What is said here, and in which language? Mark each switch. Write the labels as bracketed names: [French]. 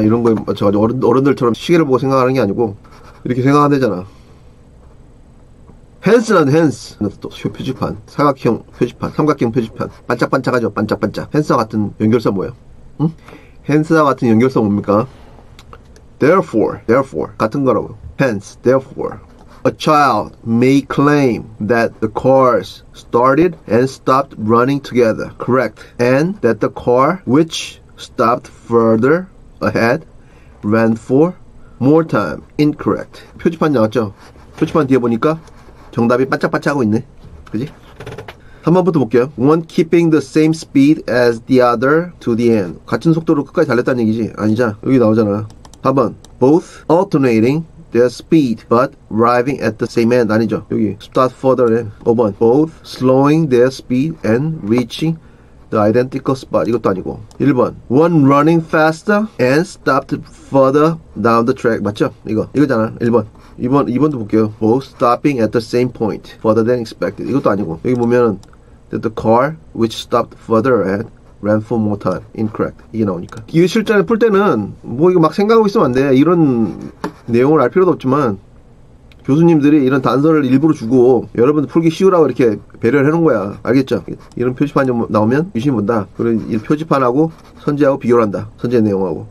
[Korean] 이런 거에 맞춰가지고 어른들처럼 시계를 보고 생각하는 게 아니고 이렇게 생각하면 되잖아. 헨스는 헨스. 또 표지판. 사각형 표지판. 삼각형 표지판. 반짝반짝하죠? 반짝반짝. 헨스와 같은 연결선 뭐예요? 응? 헨스와 같은 연결선 뭡니까? [English] Therefore. [Korean] 같은 거라고. [English] Hence, therefore. A child may claim that the cars started and stopped running together. Correct. And that the car which stopped further ahead ran for more time. Incorrect. [Korean] 표지판 나왔죠? 표지판 뒤에 보니까 정답이 반짝반짝하고 있네. 그지? 3번부터 볼게요. [English] One keeping the same speed as the other to the end. [Korean] 같은 속도로 끝까지 달렸다는 얘기지. 아니잖아. 여기 나오잖아. 4번. [English] Both alternating their speed but arriving at the same end. [Korean] 아니죠. 여기. [English] Start further end. [Korean] 5번. [English] Both slowing their speed and reaching the identical spot. [Korean] 이것도 아니고. 1번. [English] One running faster and stopped further down the track. [Korean] 맞죠? 이거. 이거잖아. 1번. 2번도 볼게요. [English] Both stopping at the same point further than expected. [Korean] 이것도 아니고. 여기 보면은 [English] that the car which stopped further ahead ran for more time. Incorrect. [Korean] 이게 나오니까. 이게 실전에 풀 때는 뭐 이거 막 생각하고 있으면 안 돼. 이런 내용을 알 필요도 없지만 교수님들이 이런 단서를 일부러 주고 여러분들 풀기 쉬우라고 이렇게 배려를 해놓은 거야. 알겠죠? 이런 표지판이 나오면 유심히 본다. 그리고 이 표지판하고 선지하고 비교를 한다. 선지의 내용하고.